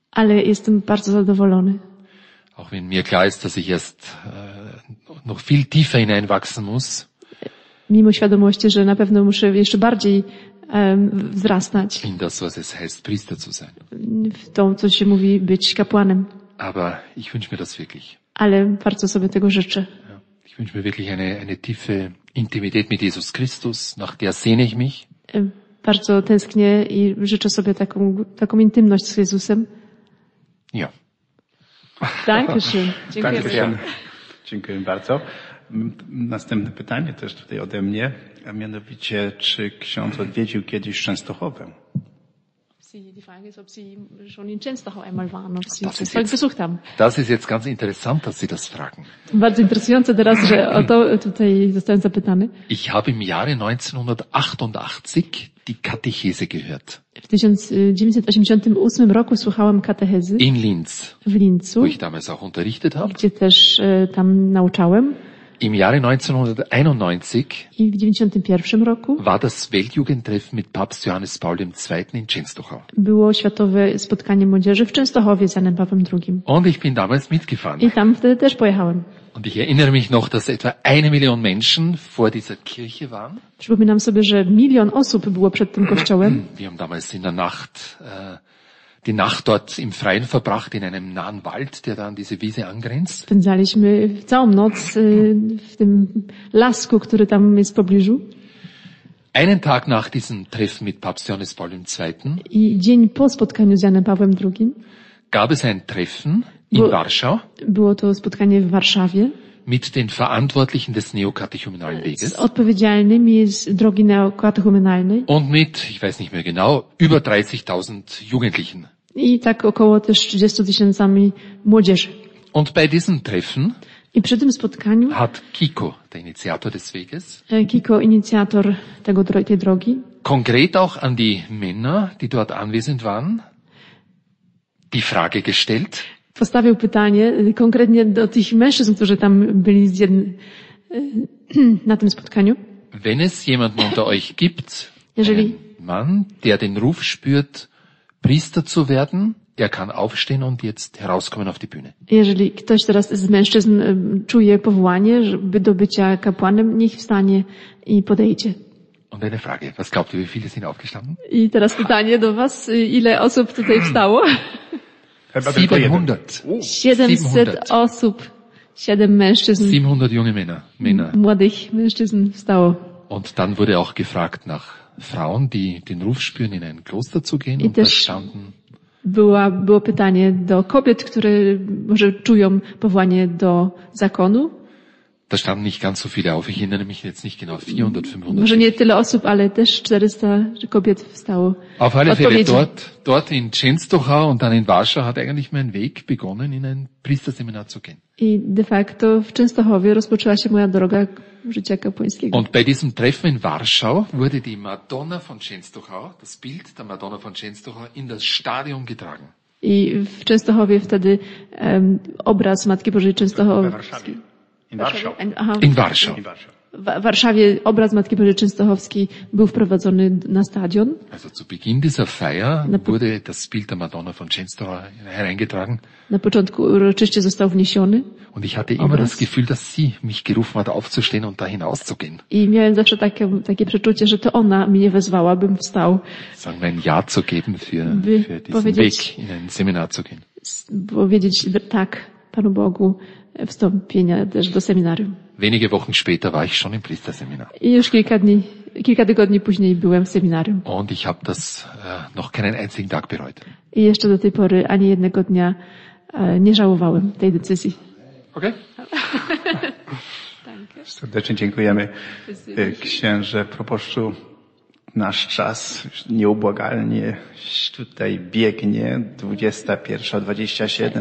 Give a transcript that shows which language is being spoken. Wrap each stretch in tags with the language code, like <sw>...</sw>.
<pl>Ale jestem bardzo zadowolony.</pl> <de>Auch wenn mir klar ist, dass ich erst noch viel tiefer hineinwachsen muss.</de> <pl>Mimo świadomości, że na pewno muszę jeszcze bardziej wzrastać.</pl> <de>In das, was es heißt, Priester zu sein.</de> <pl>W to, co się mówi, być kapłanem.</pl> <de>Aber ich wünsche mir das wirklich.</de> <pl>Ale bardzo sobie tego życzę.</pl> <de>Ja, ich wünsche mir wirklich eine tiefe Intimität mit Jesus Christus, nach der sehne ich mich.</de> <pl>Bardzo tęsknię i życzę sobie taką intymność z Jezusem.</pl> <de>Ja. Dankeschön.</de> <pl>Dziękuję. Dziękuję bardzo. Następne pytanie też tutaj ode mnie, a mianowicie, czy ksiądz odwiedził kiedyś Częstochowę?</pl> <de>Die Frage ist, ob Sie schon in Częstochowa einmal waren, ob Sie das mal besucht haben. Das ist jetzt ganz interessant, dass Sie das fragen.</de> <pl>Bardzo interesujące teraz, że o to tutaj zostałem zapytany.</pl> <de>Ich habe im Jahre 1988 die Katechese gehört.</de> <pl>W 1988 roku słuchałem katechezy.</pl> <de>In Linz.</de> <pl>W Linzu.</pl> <de>Wo ich damals auch unterrichtet habe.</de> <pl>Gdzie też tam nauczałem.</pl> <de>Im Jahre 1991</de> <pl>i w 91 roku</pl> <de>war das Weltjugendtreffen mit Papst Johannes Paul II. In Częstochowa.</de> <pl>Było światowe spotkanie młodzieży w Częstochowie z Janem Pawłem II.</pl> <de>Und ich bin damals mitgefahren.</de> <pl>I tam wtedy też pojechałem.</pl> <de>Und ich erinnere mich noch, dass etwa 1 Million Menschen vor dieser Kirche waren.</de> <pl>Przypominam sobie, że milion osób było przed tym kościołem.</pl> <de>Wir haben damals in der Nacht die Nacht dort im Freien verbracht, in einem nahen Wald, der da an diese Wiese angrenzt.</de> <pl>Spędzaliśmy całą noc w tym lasku, który tam jest w pobliżu.</pl> <de>Einen Tag nach diesem Treffen mit Papst Johannes Paul II.</de> <pl>I dzień po spotkaniu z Janem Pawłem II.</pl> <de>Gab es ein Treffen in Warschau.</de> <pl>Było to spotkanie w Warszawie.</pl> <de>Mit den Verantwortlichen des neokatechumenalen Weges.</de> <pl>Odpowiedzialnymi z drogi neokatechumenalnej.</pl> <de>Und mit, ich weiß nicht mehr genau, über 30.000 Jugendlichen.</de> <pl>I tak około też 30.000 młodzieży.</pl> <de>Und bei diesem Treffen.</de> <pl>I przy tym spotkaniu.</pl> <de>Hat Kiko, der Initiator des Weges.</de> <pl>Kiko, inicjator tej drogi.</pl> <de>Konkret auch an die Männer, die dort anwesend waren. Die Frage gestellt.</de> <pl>Postawił pytanie konkretnie do tych mężczyzn, którzy tam byli na tym spotkaniu.</pl> <de>Wenn es jemanden unter euch gibt,</de> <pl>jeżeli...</pl> <de>einen Mann, der den Ruf spürt, Priester zu werden, er kann aufstehen und jetzt herauskommen auf die Bühne.</de> <pl>Jeżeli ktoś teraz z mężczyzn czuje powołanie, żeby do bycia kapłanem, niech wstanie i podejdzie.</pl> <de>Und eine Frage, was glaubt ihr, wie viele sind aufgestanden?</de> <pl>I teraz pytanie do was, ile osób tutaj wstało? 700. 700 osób. 7 mężczyzn.</pl> <de>700 junge Männer.</de> <pl>Młodych mężczyzn wstało.</pl> <de>Und dann wurde auch gefragt nach Frauen, die den Ruf spüren, in ein Kloster zu gehen, und das standen.</de> <pl>Było pytanie do kobiet, które może czują powołanie do zakonu.</pl> <de>Da standen nicht ganz so viele auf. Ich erinnere mich jetzt nicht genau. 400, 500.</de> <pl>Może nie tyle osób, ale też 400 kobiet wstało.</pl> <de>Auf alle Fälle dort in Częstochowa und dann in Warschau hat eigentlich mein Weg begonnen, in ein Priesterseminar zu gehen.</de> <pl>I de facto w Częstochowie rozpoczęła się moja droga życia kapłańskiego.</pl> <de>Und bei diesem Treffen in Warschau wurde die Madonna von Częstochowa, das Bild der Madonna von Częstochowa, in das Stadion getragen.</de> <pl>I w Częstochowie wtedy obraz Matki Bożej Częstochowskiej.</pl> <de>In Warschau.</de> <pl>W Warszawie obraz Matki Bożej Częstochowskiej był wprowadzony na stadion.</pl> <de>Also zu Beginn dieser Feier wurde das Bild der Madonna von Częstochowa hereingetragen.</de> <pl>Na początku uroczyście został wniesiony.</pl> <de>Und ich hatte immer das Gefühl, dass sie mich gerufen hat, aufzustehen und da hinauszugehen.</de> <pl>I miałem zawsze takie przeczucie, że to ona mnie wezwała, bym wstał.</pl> <de>Sagen wir ein Ja zu geben für diesen Weg, in ein Seminar zu gehen.</de> <pl>Powiedzieć tak Panu Bogu. Wstąpienia też do seminarium.</pl> <de>Wenige Wochen später war ich schon im Priesterseminar.</de> <pl>I już kilka tygodni później byłem w seminarium.</pl> <de>Und ich habe das noch keinen einzigen Tag bereut.</de> <pl>I jeszcze do tej pory ani jednego dnia nie żałowałem tej decyzji. Okay. Serdecznie dziękujemy, księże proboszczu. Nasz czas nieubłagalnie tutaj biegnie, 21:27.</pl>